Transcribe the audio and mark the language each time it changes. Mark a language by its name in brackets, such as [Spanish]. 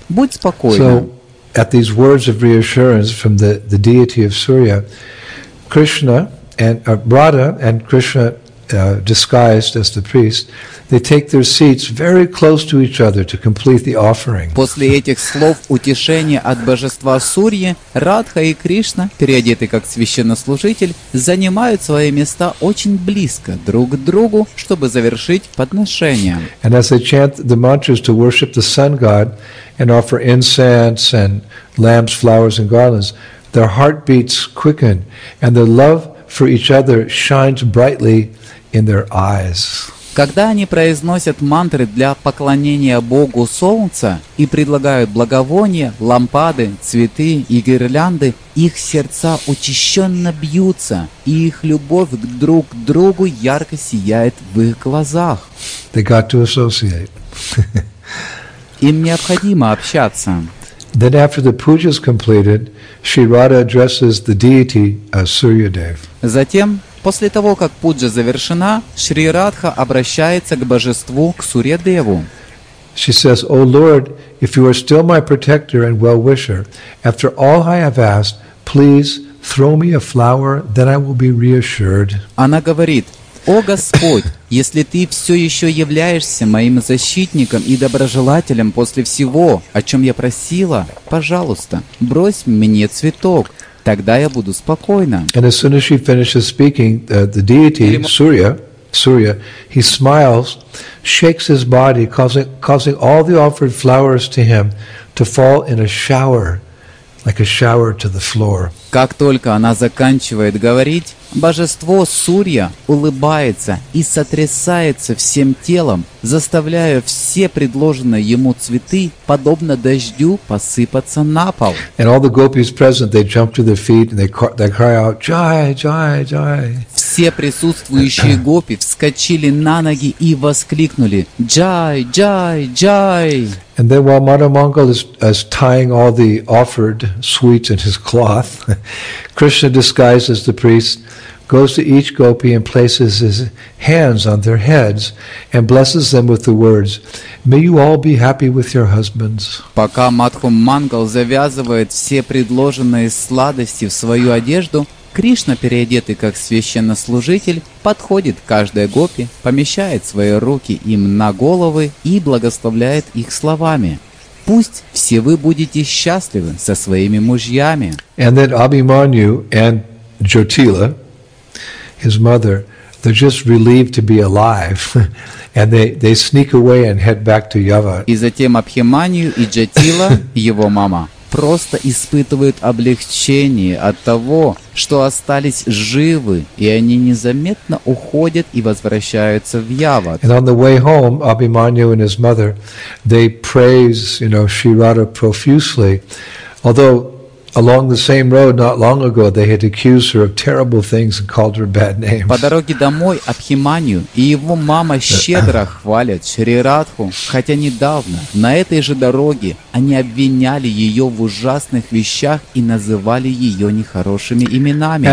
[Russian] Будь спокойна». [English] At these words of reassurance from the deity of Surya, Krishna and Radha and Krishna, disguised as the priest, they take their seats very close to each other to complete the offering. [Russian] После этих слов утешения от божества Сурьи, Радха и Кришна, переодеты как священнослужитель, занимают свои места очень близко друг к другу, чтобы завершить подношение. [English] And as they chant the mantras to worship the sun god and offer incense and lamps, flowers and garlands, their heartbeats quicken and their love for each other shines brightly in their eyes. [Russian] Когда они произносят мантры для поклонения Богу Солнца и предлагают благовония, лампады, цветы и гирлянды, их сердца учащенно бьются, и их любовь друг к другу ярко сияет в их глазах. [English] They got to associate. [Russian] Им необходимо общаться. [English] Then after the puja is completed, Shri Radha addresses the deity as Suryadev. [Russian] Затем, после того, как пуджа завершена, Шри Радха обращается к божеству, к Сурьядеву. [English] She says, "O Lord, if you are still my protector and well-wisher, after all I have asked, please throw me a flower, then I will be reassured." [Russian] Она говорит: «О Господь, если Ты все еще являешься моим защитником и доброжелателем после всего, о чем я просила, пожалуйста, брось мне цветок, тогда я буду спокойна». [English] And as soon as she finishes speaking, the deity, Surya, he smiles, shakes his body, causing all the offered flowers to him to fall in a shower, like a shower to the floor. [Russian] Как только она заканчивает говорить, божество Сурья улыбается и сотрясается всем телом, заставляя все предложенные ему цветы подобно дождю посыпаться на пол. [English] And all the gopis present, they jump to their feet and they cry out, "Jai, jai, jai!" [Russian] Все присутствующие гопи вскочили на ноги и воскликнули: "Jai, jai, jai!" [English] And then while Mother Mongol is tying all the offered sweets in his cloth, Krishna, disguised as the priest, goes to each gopi and places his hands on their heads and blesses them with the words, "May you all be happy with your husbands." [Russian] Пока Мадху Мангал завязывает все предложенные сладости в свою одежду, Кришна, переодетый как священнослужитель, подходит к каждой гопи, помещает свои руки им на головы и благословляет их словами: «Пусть все вы будете счастливы со своими мужьями». [English] And then Abhimanyu and Jyotila, his mother, they're just relieved to be alive, and they sneak away and head back to Yava. [Russian] И затем Абхиманию и Джатила, его мама, просто испытывают облегчение от того, что остались живы, и они незаметно уходят и возвращаются в Яват. [English] And on the way home, Abhimanyu and his mother, they praise, you know, Shri Radha profusely, although along the same road, not long ago, they had accused her of terrible things and called her bad names. [Russian] По дороге домой Абхиманию и его мама щедро хвалят Шри Радху, хотя недавно на этой же дороге они обвиняли ее в ужасных вещах и называли ее нехорошими именами.